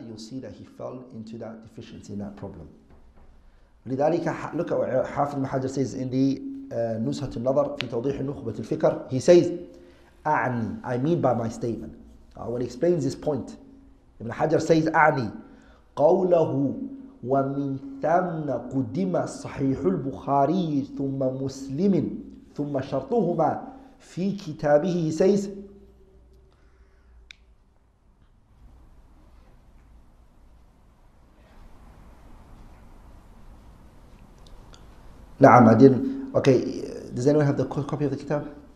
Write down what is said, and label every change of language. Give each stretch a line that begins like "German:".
English: You'll see that he fell into that deficiency, in that problem. لذلك, look at what Hafiz Mahajir says in the Nushat al-Nadhar, في توضيح النخبة الفكر. He says, أعني, I mean by my statement. When he explains this point, Ibn Hajar says, أعني.
Arabic: قوله ومن ثم قدم صحيح البخاري ثم مسلم ثم شرطهما في كتابه.
English: He says, نعم I didn't. Okay, does anyone have the copy of the kitab?